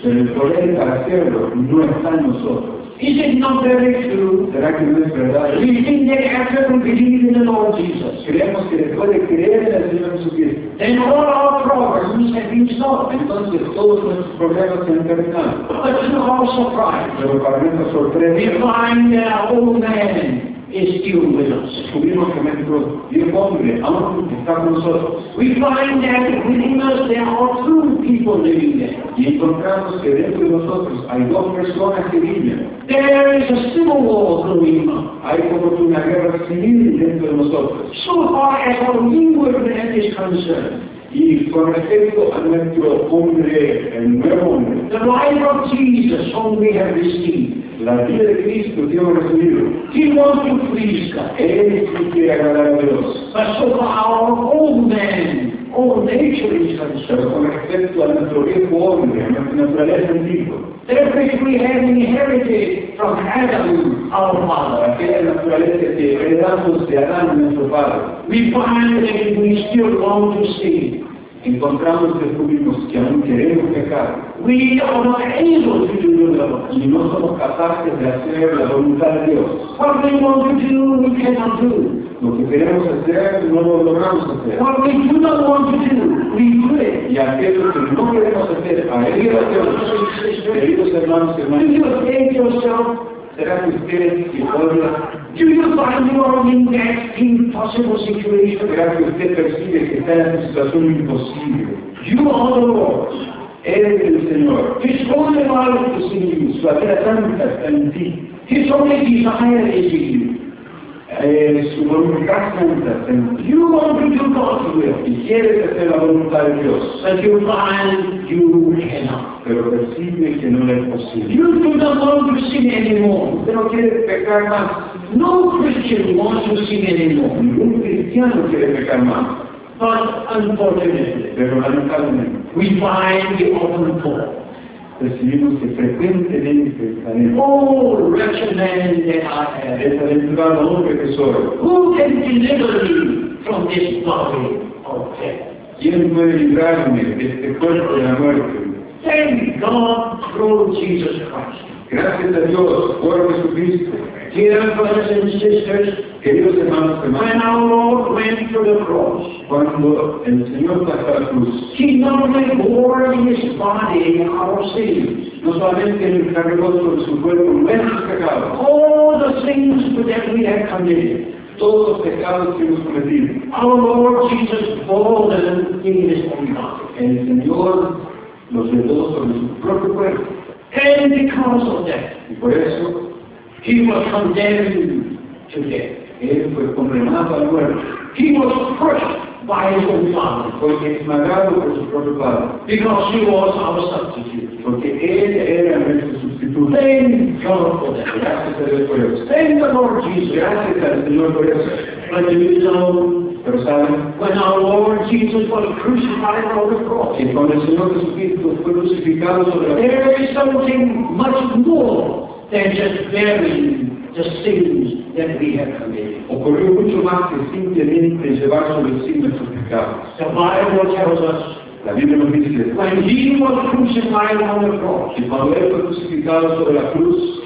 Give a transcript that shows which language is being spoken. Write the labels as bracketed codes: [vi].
[es] Pero el poder para hacerlo no está en nosotros. [en] Is it not very true? [es] ¿Será que no es verdad? [en] We think that after we believe in the Lord Jesus, [es] creemos que después de creer en el Señor Jesucristo, [en] then all our problems have been solved. [es] Entonces todos nuestros problemas se han terminado. [en] But to our surprise, [es] pero para nuestra sorpresa, [en] we find that our old man is still with us. [es] Descubrimos que nuestro viejo hombre aún está con nosotros. [en] We find that within us there are two people living there. [es] Y encontramos que dentro de nosotros hay dos personas que viven. [en] There is a civil war going on. [es] Hay como una guerra civil dentro de nosotros. [en] So far as our inward man is concerned. [es] Y con respecto a nuestro hombre, el nuevo hombre, [en] the life of Jesus whom we have received, [es] la vida de Cristo que hemos recibido, [en] He wants to please God. [es] Él sí quiere agradar a Dios. [en] But so far our old man, our nature is concerned. [es] Pero con respecto a nuestro viejo hombre, nuestra naturaleza antigua, [en] that which we have inherited from Adam, our father, [es] aquella naturaleza que heredamos de Adán, nuestro padre, [en] we find that we still long to sin. [es] Encontramos, descubrimos que aún queremos pecar. [en] We are not able to do the will. [es] Y no somos capaces de hacer la voluntad de Dios. [en] What we want to do, we cannot do. [es] Lo que queremos hacer, no lo logramos hacer. [en] What we do not want to do, we do it. [es] Y aquello que no queremos hacer, a él y a Dios, queridos hermanos y hermanas, [en] do you hate yourself? [es] ¿Será que ustedes se odian? [en] Do you find you are in that impossible situation? [es] ¿Será que usted percibe que está en una situación imposible? [en] You are the Lord. [es] Eres el Señor. [en] His only love is in you. [es] Su vida santa está en ti. [en] His only desire is in you. [es] Su voluntad santa está en ti. [en] You want to do God's will. [es] Y quieres hacer la voluntad de Dios. [en] But you find you cannot. [es] Pero percibe que no es posible. [en] You do not want to sin anymore. [es] Usted no quiere pecar más. [en] No Christian wants to sin anymore. [es] Ningún cristiano quiere pecar más. [en] But unfortunately, [es] pero lamentablemente, [en] we find the open door. [es] Recibimos que frecuentemente salimos. [en] Oh, wretched man that I am. [es] Desaventurado hombre que soy. [en] Who can deliver me from this body of death? [es] ¿Quién puede librarme de este cuerpo de la muerte? [en] Thank God through Jesus Christ. [es] Gracias a Dios por Jesucristo. [en] Dear brothers and sisters, [es] queridos hermanos y hermanas, [en] when our Lord went to the cross, [es] cuando el Señor pasó a la cruz, [en] He not only bore His body our sins, [es] no solamente Él cargó sobre su cuerpo nuestros pecados, [en] all the sins that we have committed, [es] todos los pecados que hemos cometido, [en] our Lord Jesus bore them in His own body. [es] El Señor los llevó sobre su propio cuerpo. [en] And because of that, [es] y por eso, [en] He was condemned to death. [es] Él fue condenado a la muerte. [en] He was crushed by his own father. [es] Fue esmagado por su propio padre. [en] Because he was our substitute. [es] Porque él era nuestro sustituto. [en] Thank God for that. [es] Gracias a Dios por eso. [en] Thank the Lord Jesus. [es] Gracias al Señor por eso. [en] But you know, [es] pero saben, [en] when our Lord Jesus was crucified on the cross, [es] y cuando el Señor Jesucristo fue crucificado sobre la [en] cruz, there is something much more than just bearing the sins that we have committed. [es] Ocurrió mucho más que simplemente llevar sobre sí nuestros pecados. [en] The Bible tells us, [es] la Biblia nos dice, [en] when he was crucified on the cross, [es] y cuando él fue crucificado sobre la cruz,